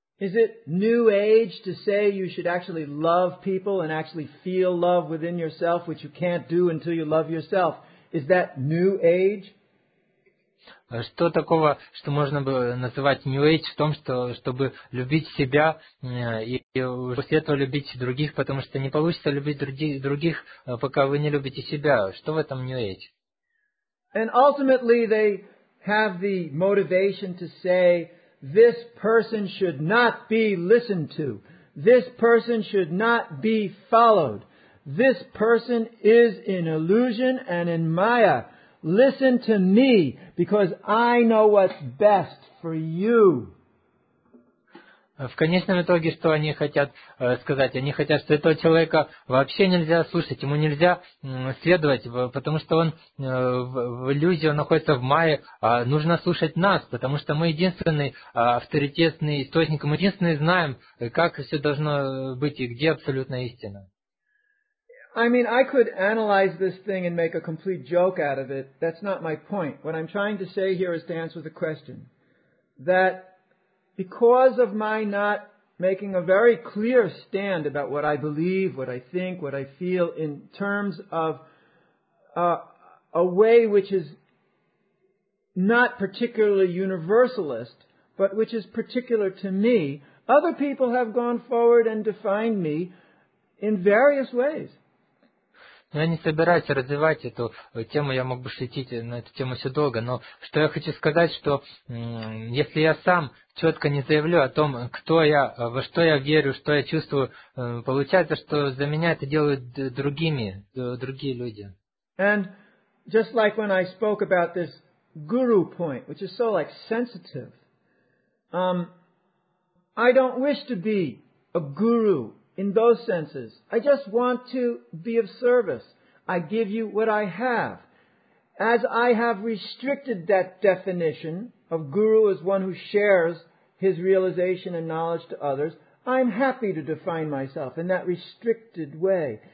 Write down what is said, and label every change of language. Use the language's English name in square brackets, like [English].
[English] Is it new age to say you should actually love people and actually feel love within yourself, which you can't do until you love yourself? Is that new age? [Russian] Что такого, что можно бы называть New Age, в том, что, чтобы любить себя и после этого любить других, потому что не получится любить других, пока вы не любите себя. Что в этом New Age? [English] And ultimately they have the motivation to say, this person should not be listened to. This person should not be followed. This person is in illusion and in Maya. Listen to me, because I know what's best for you. [Russian] В конечном итоге, что они хотят сказать? Они хотят, что этого человека вообще нельзя слушать, ему нельзя следовать, потому что он в иллюзии, он находится в мае, а нужно слушать нас, потому что мы единственный авторитетный источник, мы единственные знаем, как все должно быть и где абсолютная истина. [English] I mean, I could analyze this thing and make a complete joke out of it. That's not my point. What I'm trying to say here is to answer the question. That because of my not making a very clear stand about what I believe, what I think, what I feel in terms of a way which is not particularly universalist, but which is particular to me, other people have gone forward and defined me in various ways. [Russian] Я не собираюсь развивать эту тему, я мог бы шутить на эту тему все долго, но что я хочу сказать, что если я сам четко не заявлю о том, кто я, во что я верю, что я чувствую, получается, что за меня это делают другие люди. [English] And just like when I spoke about this guru point, which is so like sensitive, I don't wish to be a guru. In those senses, I just want to be of service. I give you what I have. As I have restricted that definition of guru as one who shares his realization and knowledge to others, I'm happy to define myself in that restricted way.